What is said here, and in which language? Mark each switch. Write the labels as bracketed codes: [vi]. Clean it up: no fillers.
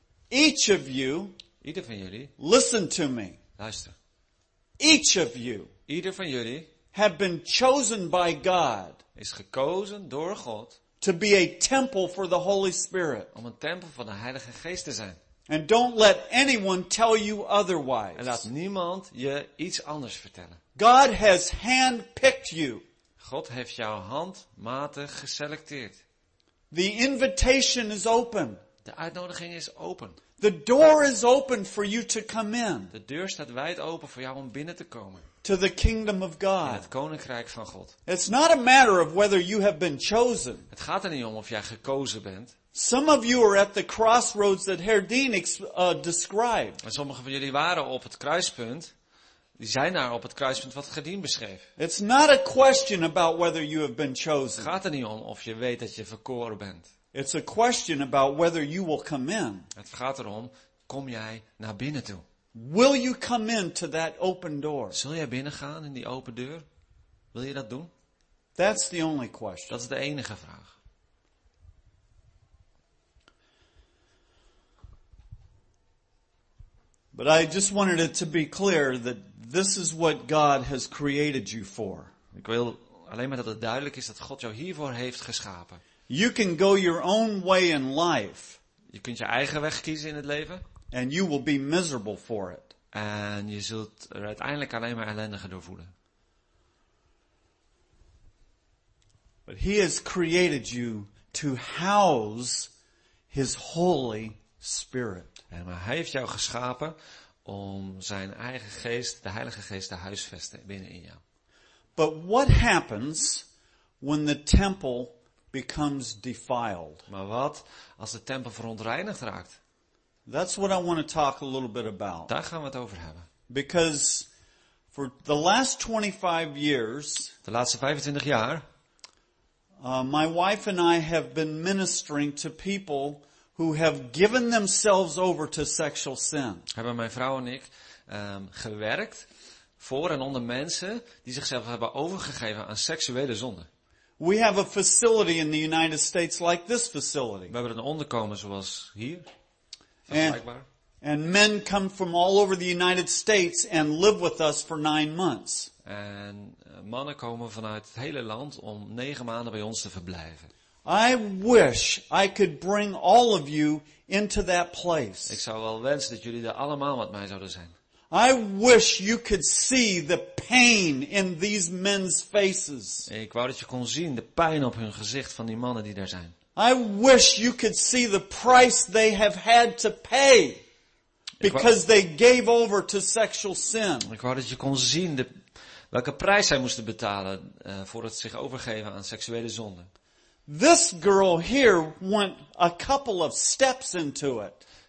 [en] Each of you. [nl] Ieder van jullie. [en] Listen to me. [nl] Luister. [en] Each of you. [nl] Ieder van jullie. [en] Have been chosen by God. [nl] Is gekozen door God. [en] To be a temple for the Holy Spirit. [nl] Om een tempel van de Heilige Geest te zijn. [en] And don't let anyone tell you otherwise. [nl] En laat niemand je iets anders vertellen. [en] God has handpicked you. [nl] God heeft jou handmatig geselecteerd. [en] The invitation is open. [nl] De uitnodiging is open. [en] The door is open for you to come in. [nl] De deur staat wijd open voor jou om binnen te komen. [en] To the kingdom of God. [nl] In het koninkrijk van God. [en] It's not a matter of whether you have been chosen. [nl] Het gaat er niet om of jij gekozen bent. [en] Some of you are at the crossroads that Herr Dean described. [nl] En sommige van jullie waren op het kruispunt. Die zijn daar op het kruispunt wat Herr Dean beschreef. [en] It's not a question about whether you have been chosen. [nl] Het gaat er niet om of je weet dat je verkoren bent. [en] It's a question about whether you will come in. [nl] Het gaat erom, kom jij naar binnen toe? [en] Will you come in to that open door? [nl] Zul jij binnengaan in die open deur? Wil je dat doen? [en] That's the only question. [nl] Dat is de enige vraag. [en] But I just wanted it to be clear that this is what God has created you for. [nl] Ik wil alleen maar dat het duidelijk is dat God jou hiervoor heeft geschapen. [en] You can go your own way in life. [nl] Je kunt je eigen weg kiezen in het leven. [en] And you will be miserable for it. [nl] En je zult er uiteindelijk alleen maar ellendiger door voelen. [en] But he has created you to house his holy spirit. [nl] En maar hij heeft jou geschapen om zijn eigen geest, de Heilige Geest, te huisvesten binnen in jou. [en] But what happens when the temple becomes defiled. [nl] Maar wat als de tempel verontreinigd raakt? [en] That's what I want to talk a little bit about. [nl] Daar gaan we het over hebben. [en] Because for the last 25 years, [nl] de laatste 25 jaar, [en] my wife and I have been ministering to people who have given themselves over to sexual sin. [nl] Hebben mijn vrouw en ik gewerkt voor en onder mensen die zichzelf hebben overgegeven aan seksuele zonde. [en] We have a facility in the United States like this facility. [nl] We hebben een onderkomen zoals hier. Vergelijkbaar. [en] And men come from all over the United States and live with us for 9 months. [nl] En mannen komen vanuit het hele land om 9 maanden bij ons te verblijven. [en] I wish I could bring all of you into that place. [nl] Ik zou wel wensen dat jullie er allemaal met mij zouden zijn. [en] I wish you could see the pain in these men's faces. [nl] Ik wou dat je kon zien de pijn op hun gezicht van die mannen die daar zijn. [en] I wish you could see the price they have had to pay. Because they gave over to sexual sin. [nl] Ik wou dat je kon zien welke prijs zij moesten betalen voor het zich overgeven aan seksuele zonde. [en] This girl here went a couple of steps into it.